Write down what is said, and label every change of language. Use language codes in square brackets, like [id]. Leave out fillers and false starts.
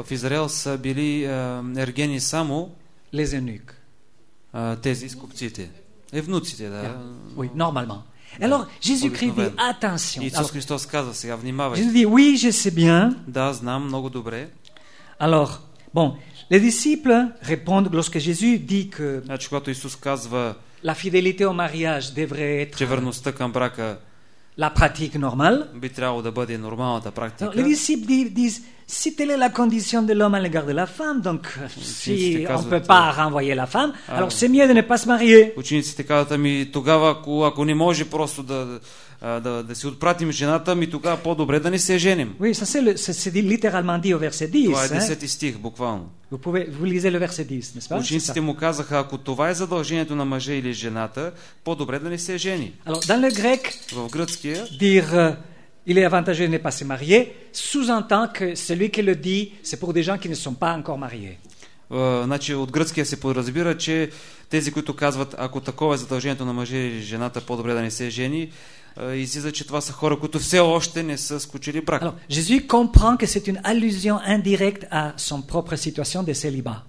[bg] В Израел са били ергени само [fr] les eunuques. [bg] Тези с купците. Евнуците, да. Yeah. [fr] Oui, normalement. Да, alors, Jésus-Christ dit attention. [bg] Исус Христос каза сега внимавай. [fr] Jésus dit oui, je sais bien. [bg] Да, знам много добре. [fr] Alors, bon, les disciples répondent lorsque Jésus dit que [bg] значи, когато Исус казва [fr] la fidélité au mariage devrait être [bg] че верността към брака [fr] la pratique normale. [bg] Би трябвало да бъде нормалната практика. [fr] Les disciples disent si telle est la condition de l'homme à l'égard de la femme, donc si on peut pas renvoyer la femme, alors c'est mieux de ne pas se marier. [bg] Учениците казват, ами тогава ако не може просто да си отпратим жената, ми тогава по-добре да не се женим. [fr] Oui, ça c'est littéralement dit au verset 10. [bg] Това е 10 стих, буквално. [fr] Vous lisez le verset 10, n'est-ce pas? [bg] Учениците му казаха, ако това е задължението на мъжа или жената, по-добре да не се жени. [fr] Alors, dans le grec, [bg] в гръцкия, [fr] dire il est avantageux de ne pas se marier, sous-entend que celui qui le dit, c'est pour des gens qui ne sont pas encore mariés. [bg] Значи от гръцкия се подразбира, че тези, които казват, ако такова е задължението на мъжа или жената, по-добре да не се жени, излиза, че това са хора, които все още не са сключили брак. [fr] Alors, Jésus comprend que c'est une allusion indirecte à son propre situation de célibat.